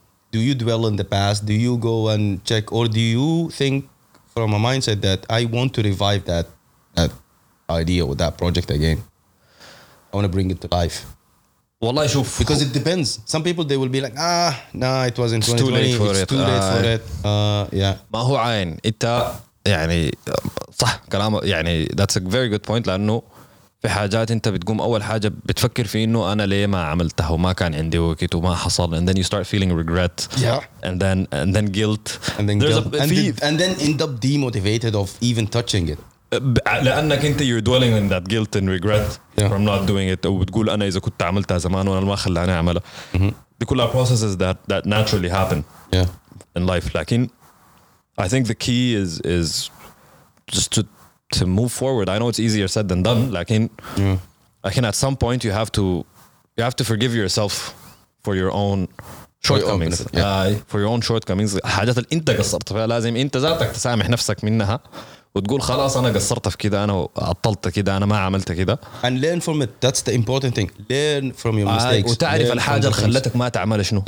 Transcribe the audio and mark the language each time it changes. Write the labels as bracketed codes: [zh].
[en] Do you dwell in the past? Do you go and check, or do you think from a mindset that I want to revive that idea or that project again? I want to bring it to life. [ar] Wallahi, shuf. [en] Because it depends. Some people, they will be like, it was in 2020. It's too late for it. [ar] Ma hu ayn. Itta, yani, sah, kalam, yani, [en] that's a very good point. [ar] لأنه في حاجات انت بتقوم اول حاجة بتفكر في انه انا ليه ما عملتها وما كان عندي وقت وما حصل. [en] And then you start feeling regret. Yeah. And then guilt. And then and then end up demotivated of even touching it. [ar] لأنك أنت [en] you're dwelling in that guilt and regret from not doing it. [ar] أو بتقول أنا إذا كنت عملتها زمان وأنا ما خلاني أعملها. دي كلها [en] processes that naturally happen in life. [ar] لكن [en] I think the key is just to move forward. I know it's easier said than done. [ar] لكن [en] at some point you have to forgive yourself for your own shortcomings. For your own shortcomings. [ar] حاجات اللي أنت قصرت فيها لازم أنت ذاتك تسامح نفسك منها. وتقول خلاص أنا قصرت في كده, أنا عطلت كده, أنا ما عملت كده. [en] And learn from it. That's the important thing. Learn from your mistakes. [ar] وتعرف الحاجة اللي خلتك ما تعمل شنو.